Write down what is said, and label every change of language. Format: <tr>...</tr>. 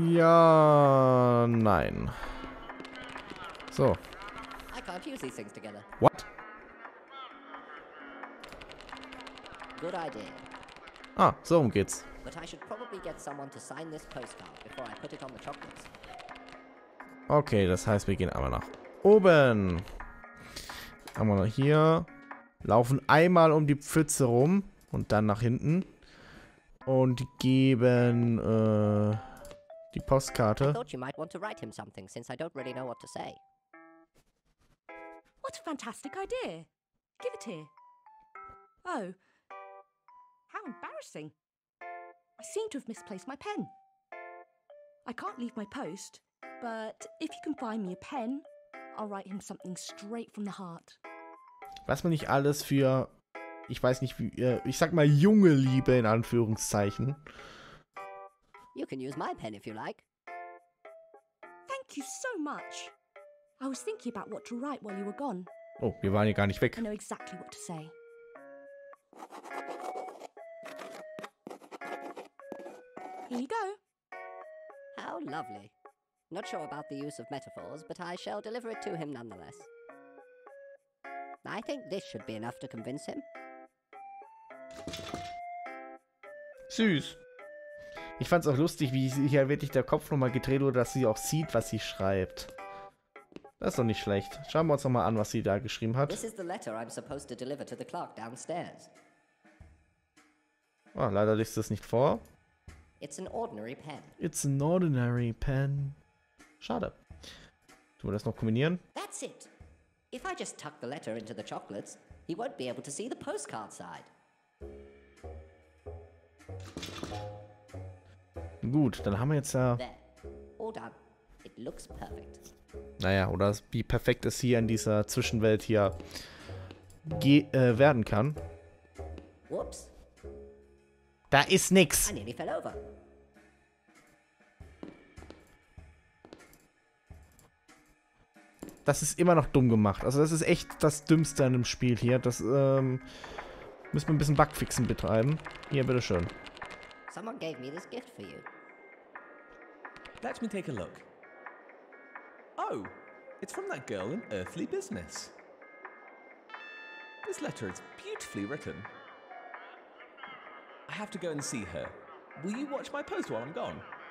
<de>Ja, nein. So.</de> <en>I can't use these things together. What? Good idea.</en> <de>Ah, so um geht's.</de> <en>But I should probably get someone to sign this postcard before I put it on the chocolates.</en> <de>Okay, das heißt, wir gehen einmal nach oben. Einmal noch hier. Laufen einmal um die Pfütze rum und dann nach hinten. Und geben die Postkarte.</de> <en>I thought you might want to write him something, since I don't really know what to say. What a fantastic idea. Give it here. Oh, how embarrassing. I seem to have misplaced my pen. I can't leave my post, but if you can find me a pen, I'll write him something straight from the heart.</en> <de>Was man nicht alles für, ich weiß nicht wie, ich sag mal junge Liebe in Anführungszeichen.</de> <en>You can use my pen if you like. Thank you so much. I was thinking about what to write while you were gone.</en> <de>Oh, wir waren ja gar nicht weg.</de> <en>I know exactly what to say. Here you go. How lovely. Not sure about the use of metaphors, but I shall deliver it to him nonetheless. I think this should be enough to convince him.</en> <de>Süß. Ich fand's auch lustig, wie hier wirklich der Kopf nochmal gedreht wurde, dass sie auch sieht, was sie schreibt. Das ist doch nicht schlecht. Schauen wir uns nochmal an, was sie da geschrieben hat.</de> <en>This is the letter I'm supposed to deliver to the clerk downstairs.</en> <de>Oh, leider liest es nicht vor.</de> <en>It's an ordinary pen. It's an ordinary pen.</en> <de>Schade. Tun wir das noch kombinieren?</de> <en>That's it. If I just tuck the letter into the chocolates, he won't be able to see the postcard side.</en> <de>Gut, dann haben wir jetzt</de> <en>There. All done. It looks perfect.</en> <de>Naja, oder wie perfekt es hier in dieser Zwischenwelt hier werden kann.</de> <en>Whoops.</en> <de>Da ist nix.</de> <en>I nearly fell over.</en> <de>Das ist immer noch dumm gemacht. Also das ist echt das Dümmste an dem Spiel hier. Das müssen wir ein bisschen Bugfixen betreiben. Hier, bitteschön.</de> <en>Someone gave me this gift for you. Let me take a look. Oh, it's from that girl in Earthly Business. This letter is beautifully written. I have to go and see her. Will you watch my post while I'm gone?</en>